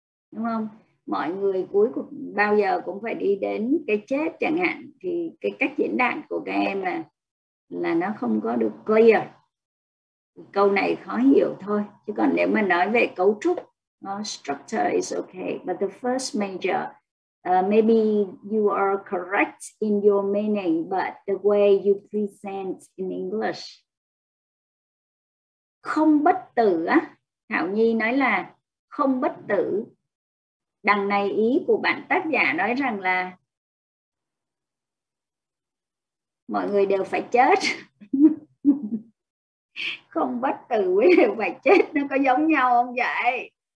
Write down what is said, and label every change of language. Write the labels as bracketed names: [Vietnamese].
[Vietnamese] Đúng không? Mọi người cuối cùng bao giờ cũng phải đi đến cái chết chẳng hạn. Thì cái cách diễn đạt của các em là nó không có được clear. Câu này khó hiểu thôi. Chứ còn nếu mà nói về cấu trúc, [English] structure is okay. But the first major, maybe you are correct in your meaning, but the way you present in English. [Vietnamese] Không bất tử á. Thảo Nhi nói là không bất tử. Đằng này ý của bạn tác giả nói rằng là mọi người đều phải chết. Không bất tử với đều phải chết nó có giống nhau không vậy?